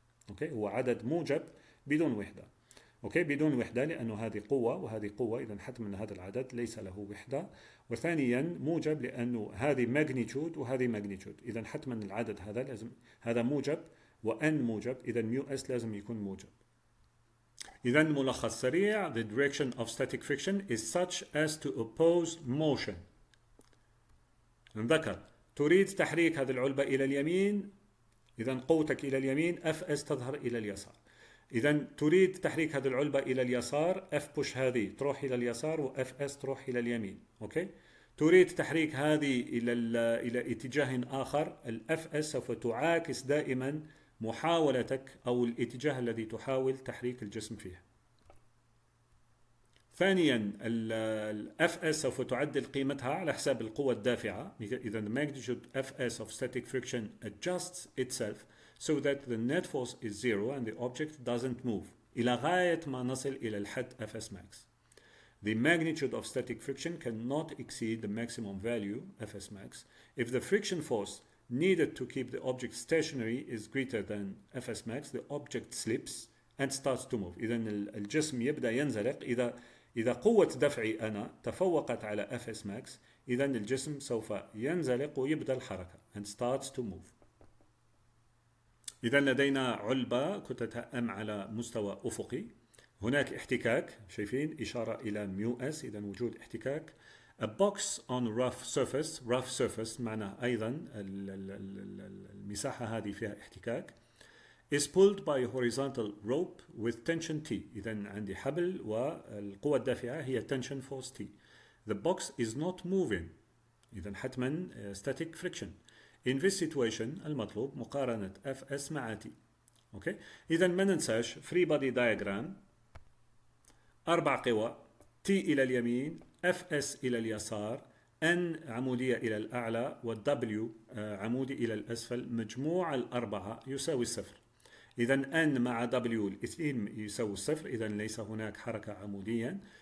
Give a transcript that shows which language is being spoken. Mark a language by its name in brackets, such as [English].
[Arabic] أوكي؟ هو عدد موجب بدون وحدة. أوكي؟ بدون وحدة لأنه هذه قوة وهذه قوة، إذا حتما هذا العدد ليس له وحدة. وثانيا موجب لأنه هذه magnitude وهذه magnitude، إذا حتما العدد هذا لازم، هذا موجب وN موجب، إذا ميو اس لازم يكون موجب. إذا ملخص سريع: [English] the direction of static friction is such as to oppose motion. [Arabic] نذكر تريد تحريك هذه العلبة إلى اليمين، إذا قوتك إلى اليمين اف اس تظهر إلى اليسار. إذا تريد تحريك هذه العلبة إلى اليسار، اف بوش هذه تروح إلى اليسار واف اس تروح إلى اليمين. أوكي؟ تريد تحريك هذه إلى اتجاه آخر، الاف اس سوف تعاكس دائما محاولتك أو الاتجاه الذي تحاول تحريك الجسم فيه. ثانيا الـ Fs سوف تعدل قيمتها على حساب القوة الدافعة. إذا [English] the magnitude Fs of static friction adjusts itself so that the net force is zero and the object doesn't move [Arabic] إلى غاية ما نصل إلى الحد [English] Fs max. The magnitude of static friction cannot exceed the maximum value Fs max if the friction force needed to keep the object stationary is greater than Fs max. The object slips and starts to move. [Arabic] إذا الجسم يبدأ ينزلق إذا قوة دفعي أنا تفوقت على Fs max، إذا الجسم سوف ينزلق ويبدأ الحركة [English] and starts to move. [Arabic] إذا لدينا علبة كتلتها M على مستوى أفقي، هناك احتكاك، شايفين إشارة إلى ميو اس، إذا وجود احتكاك. [English] A box on rough surface، [Arabic] rough surface معنى أيضا المساحة هذه فيها احتكاك. [English] Is pulled by a horizontal rope with tension T. [Arabic] إذن عندي حبل والقوة الدافعة هي tension force T. [English] The box is not moving. [Arabic] إذن حتما [English] static friction. In this situation [Arabic] المطلوب مقارنة Fs مع T. [English] Okay. [Arabic] إذن ما ننساش free body diagram. أربع قوى. T إلى اليمين. Fs إلى اليسار. N عمودية إلى الأعلى. والW عمودي إلى الأسفل. مجموع الأربعة يساوي الصفر. إذا N مع W الاثنين يساوي الصفر، إذا ليس هناك حركة عموديا.